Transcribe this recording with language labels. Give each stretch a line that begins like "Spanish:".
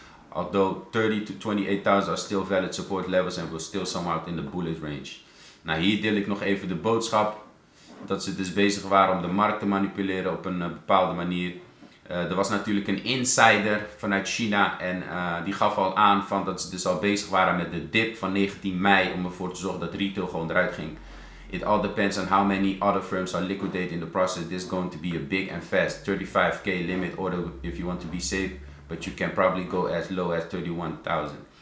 English: Although 30 to 28,000 are still valid support levels and we're still somehow in the bullish range.
Dutch: Nou, hier deel ik nog even de boodschap. Dat ze dus bezig waren om de markt te manipuleren op een bepaalde manier. Er was natuurlijk een insider vanuit China. En die gaf al aan van dat ze dus al bezig waren met de dip van 19 mei. Om ervoor te zorgen dat retail gewoon eruit ging.
English: It all depends on how many other firms are liquidated in the process. This is going to be a big and fast 35k limit order if you want to be safe. But you can probably go as low as 31,000.